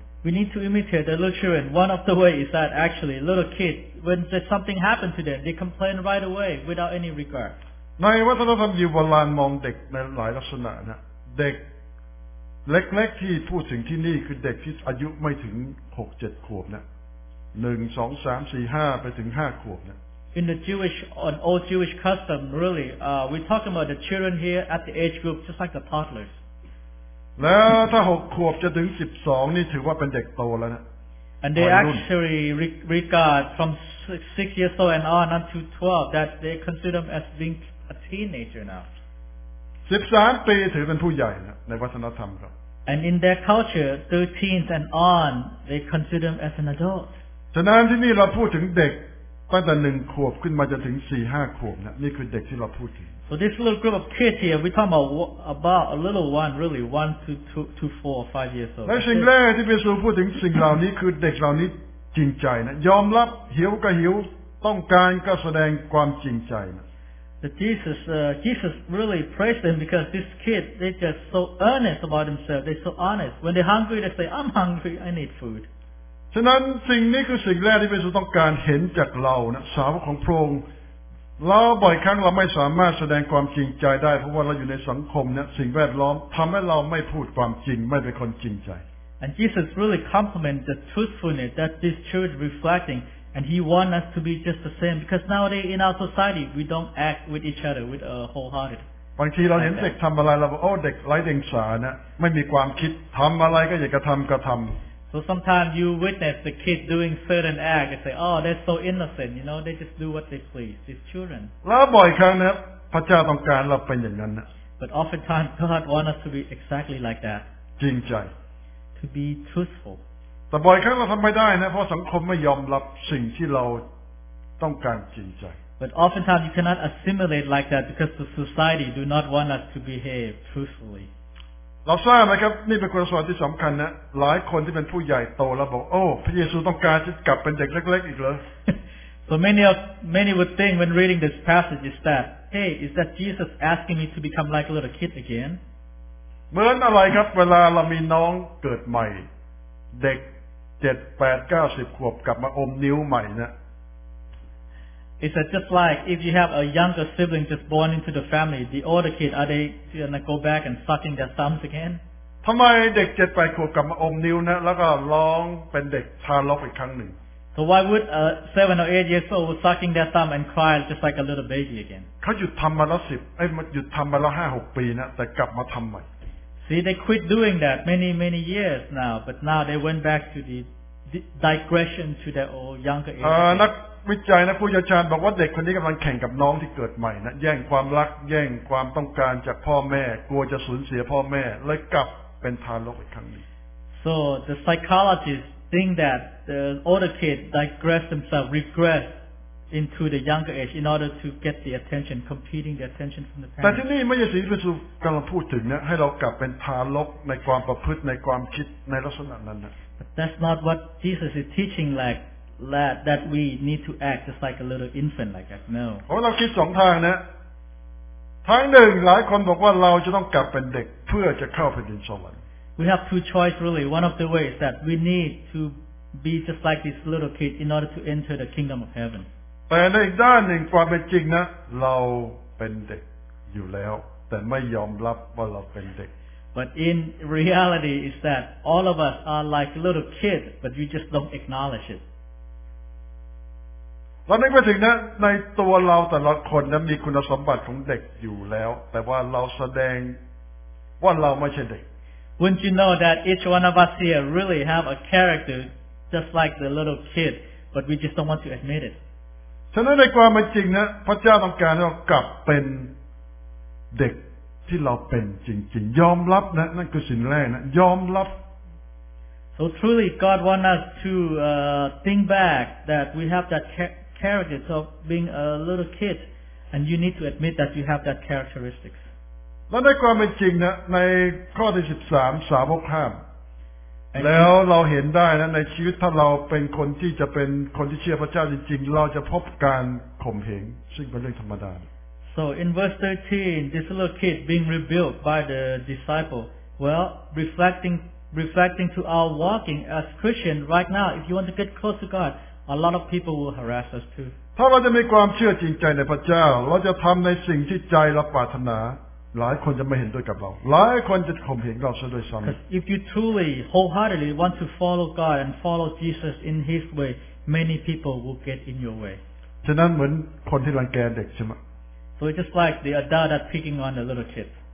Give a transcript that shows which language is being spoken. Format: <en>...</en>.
<en>We need to imitate the little children. One of the ways is that actually little kids, when there's something happened to them, they complain right away without any regard.</en> <th>ในวัฒนธรรมยุโรปมองเด็กในหลายลักษณะนะเด็ก เล็กๆที่พูดถึงที่นี่คือเด็กที่อายุไม่ถึง 6-7 ขวบนะ 1 2 3 4 5 ไปถึง 5 ขวบนะ</th> <en>In the Jewish on old Jewish custom really we talk about the children here at the age group just like the toddlers</en> <th>แล้วถ้า 6 ขวบจะถึง 12 นี่ถือว่าเป็นเด็กโตแล้วนะ</th> <en>And they actually regard from 6 years old and on until 12 that they consider them as being a teenager now</en> <th>13 ปีถือเป็นผู้ใหญ่ในวัฒนธรรมครับ</th> <en>And in their culture 13 and on they consider them as an adult</en> <th>ฉะนั้นที่นี่เราพูดถึงเด็กตั้งแต่ 1 ขวบขึ้นมาจนถึง 4-5 ขวบนะนี่คือเด็กที่เราพูดถึง</th> <en>So this little group of kids here we talk about a little one really 1 to 2 to 4 or 5 years old</en> <th>และสิ่งแรกที่เปโตรพูดถึงสิ่งเหล่านี้คือเด็กเหล่านี้จริงใจนะยอมรับหิวก็หิวต้องการก็แสดงความจริงใจนะ</th> <en>That Jesus really praised them because these kids, they're just so earnest about themselves. They're so honest. When they're hungry, they say, I'm hungry, I need food.</en> <th>ฉะนั้นสิ่งนี้คือสิ่งแรกที่พระเยซูต้องการเห็นจากเรานะสาวกของพระองค์เราบ่อยครั้งเราไม่สามารถแสดงความจริงใจได้เพราะว่าเราอยู่ในสังคมเนี่ยสิ่งแวดล้อมทำให้เราไม่พูดความจริงไม่เป็นคนจริงใจ</th> <en>And Jesus really compliments the truthfulness that this church is reflecting and he want us to be just the same because nowadays in our society we don't act with each other with a wholehearted</en> <th>บางทีเราเห็นเด็กทำอะไรเราบอกโอ้เด็กไร้เดียงสานะไม่มีความคิดทำอะไรก็อยากจะทำก็ทำ</th> <en>So sometimes you witness the kid doing certain act and say, oh, they're so innocent, you know, they just do what they please, these children. But oftentimes God wants us to be exactly like that.</en> <th>จริงใจ</th> <en>To be truthful.</en> <th>แต่บ่อยครั้งเราทำไม่ได้นะเพราะสังคมไม่ยอมรับสิ่งที่เราต้องการจริงใจ</th> <en>But oftentimes you cannot assimilate like that because the society do not want us to behave truthfully.</en> <th>เราทราบไหมครับนี่เป็นคุณสมบัติที่สำคัญนะหลายคนที่เป็นผู้ใหญ่โตแล้วบอกโอ้พระเยซูต้องการจะกลับเป็นเด็กเล็กๆอีกเหรอ</th> <en>So many would think when reading this passage is that hey is that Jesus asking me to become like a little kid again</en> <th>เหมือนอะไรครับเวลาเรามีน้องเกิดใหม่เด็ก7 8 9 10ขวบกลับมาอมนิ้วใหม่นะ</th> <en>Is that just like if you have a younger sibling just born into the family, the older kid, are they going to go back and suck in their thumbs again?</en> <th>ทำไมเด็ก7 8ขวบกลับมาอมนิ้วนะแล้วก็ร้องเป็นเด็กทารกอีกครั้งหนึ่ง</th> <en>So why would a 7 or 8 years old sucking their thumb and cry just like a little baby again?</en> <th>เขาหยุดทำมาแล้ว10เอ้ยหยุดทำมาแล้ว5 6ปีนะแต่กลับมาทำใหม่</th> <en>See they quit doing that many years now but now they went back to the digression to their old younger age</en> <th>วิจัยนะผู้เชี่ยวชาญบอกว่าเด็กคนนี้กำลังแข่งกับน้องที่เกิดใหม่นะแย่งความรักแย่งความต้องการจากพ่อแม่กลัวจะสูญเสียพ่อแม่เลยกลับเป็นทารกอีกครั้งนึง</th> <en>So the psychologists think that the older kids digress themselves regress into the younger age in order to get the attention competing the attention from the parents</en> <th>แต่ที่นี่ไม่ใช่สิ่งที่ครูกำลังพูดถึงนะให้เรากลับเป็นทารกในความประพฤติในความคิดในลักษณะนั้นนะ</th> <en>But that's not what Jesus is teaching likeThat we need to act just like a little infant like that. No.</en> <th>เพราะเราคิดสองทางนะทางหนึ่งหลายคนบอกว่าเราจะต้องกลับเป็นเด็กเพื่อจะเข้าแผ่นดินสวรรค์</th> <en>We have two choices really. One of the ways that we need to be just like this little kid in order to enter the kingdom of heaven.</en> <th>แต่ในอีกด้านหนึ่งความเป็นจริงนะเราเป็นเด็กอยู่แล้วแต่ไม่ยอมรับว่าเราเป็นเด็ก</th> <en>But in reality is that all of us are like a little kid, but you just don't acknowledge it.</en> <th>เราไม่ไปถึงนะในตัวเราแต่ละคนนะมีคุณสมบัติของเด็กอยู่แล้วแต่ว่าเราแสดงว่าเราไม่ใช่เด็ก</th> <en>Wouldn't you know that each one of us here really have a character just like the little kid but we just don't want to admit it</en> <th>ฉะนั้นในความจริงนะพระเจ้าต้องการให้เรากลับเป็นเด็กที่เราเป็นจริงๆยอมรับนะนั่นคือสิ่งแรกนะยอมรับ</th> <en>So truly God wants us to think back that we have that character of being a little kid and you need to admit that you have that characteristics.</en> <th>และในความเป็นจริงนะในข้อที่13สาวกห้ามแล้วเราเห็นได้นะในชีวิตถ้าเราเป็นคนที่จะเป็นคนที่เชื่อพระเจ้าจริงๆเราจะพบการข่มเหงซึ่งเป็นเรื่องธรรมดา</th> <en>So in verse 13 this little kid being rebuked by the disciple well reflecting to our walking as Christian right now if you want to get close to God a lot of people will harass us too</en> <th>ถ้าเราจะมีความเชื่อจริงใจในพระเจ้าเราจะทำในสิ่งที่ใจเราปรารถนาหลายคนจะไม่เห็นด้วยกับเราหลายคนจะข่มเหงเราซะด้วยซ้ำ</th> <en>If you truly wholeheartedly want to follow God and follow Jesus in his way many people will get in your way</en> <th>ฉะนั้นเหมือนคนที่รังแกเด็กใช่ไหม</th> <en>So it's just like the adult that picking on the little kid</en>